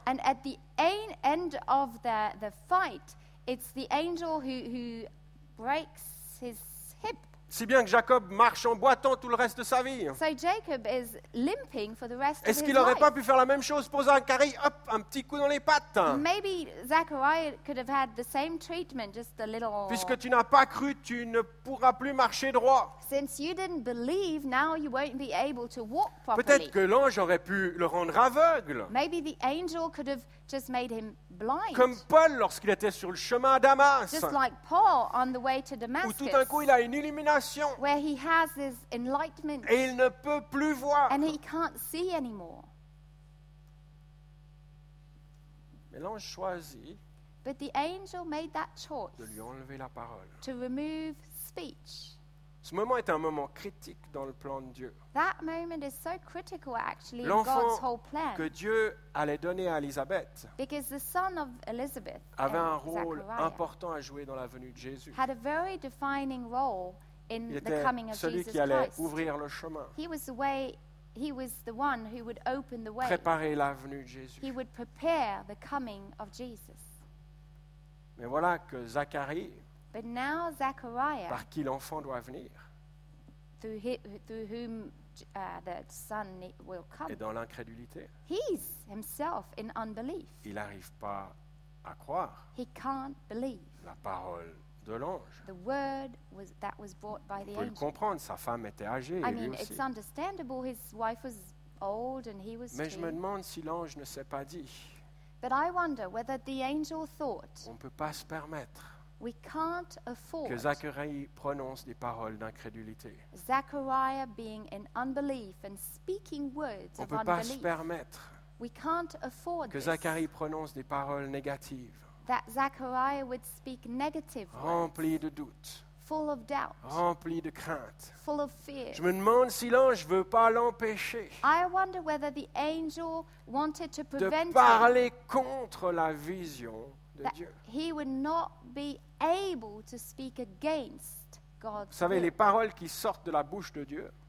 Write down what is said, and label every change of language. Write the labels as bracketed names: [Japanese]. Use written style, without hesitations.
[English] And at the end of the fight, it's the angel who breaks his hip. [French] Si bien que Jacob marche en boitant tout le reste de sa vie. [English] So Jacob is limping for the rest. [French] Est-ce qu'il n'aurait pas pu faire la même chose pour Zacharie? Hop, un petit coup dans les pattes. [English] Maybe Zachariah could have had the same treatment, just a little. [French] Puisque tu n'as pas cru, tu ne pourras plus marcher droit. [English] Since you didn't believe, now you won't be able to walk properly. [French] Peut-être que l'ange aurait pu le rendre aveugle. [English] Maybe the angel could have just made him blind. [French] Comme Paul lorsqu'il était sur le chemin à Damas. [English] Just like Paul on the way to Damascus. [French] Où tout d'un coup il a une illumination. [English] Where he has his enlightenment. [French] Et il ne peut plus voir. [English] And he can't see anymore. [French] Mais l'ange choisit. [English] But the angel made that choice. [French] De lui enlever la parole. [English] To remove speech. [French] Ce moment est un moment critique dans le plan de Dieu. [English] That moment is so critical, actually, [French] l'enfant [English] God's whole plan. [French] Que Dieu allait donner à Elisabeth, [English] because the son of Elizabeth [French] avait un rôle [English] Zachariah [French] important à jouer dans la venue de Jésus. [English] Had a very defining role in [French] il [English] the coming of Jesus Christ. [French] Celui qui allait [English] Christ. [French] Ouvrir le chemin. [English] He was the one who would open the way. [French] Préparer la venue de Jésus. [English] He would prepare the coming of Jesus. [French] Mais voilà que Zacharie. [English] But now Zachariah, [French] par qui l'enfant doit venir, [English] through whom the son will come, [French] et dans l'incrédulité, [English] he's himself in unbelief. [French] Il n'arrive pas à croire. [English] He can't believe. [French] La parole de l'ange. [English] The word was that was brought by the angel. [French] On peut le comprendre, sa femme était âgée, et [English] I mean, [French] lui aussi. [English] It's understandable. His wife was old, and he was. [French] Mais [English] too. [French] Je me demande si l'ange ne s'est pas dit. [English] But I wonder whether the angel thought. [French] On peut pas se permettre. [English] We can't afford [French] que Zacharie prononce des paroles d'incrédulité. [English] Zachariah being in unbelief and speaking words [French] on [English] of unbelief. [French] On ne peut pas se permettre [English] We can't afford [French] que Zacharie prononce des paroles négatives. [English] That Zachariah would speak negative words. [French] Rempli de doutes. [English] Full of doubt. [French] Rempli de crainte. [English] Full of fear. [French] Je me demande si l'ange ne veut pas l'empêcher. [English] I wonder whether the angel wanted to prevent [French] de parler contre la vision de [English] that [French] Dieu. [English] He would not be able to speak against God's [French] Vous savez, [English] will. [French] Les paroles qui sortent de la bouche de Dieu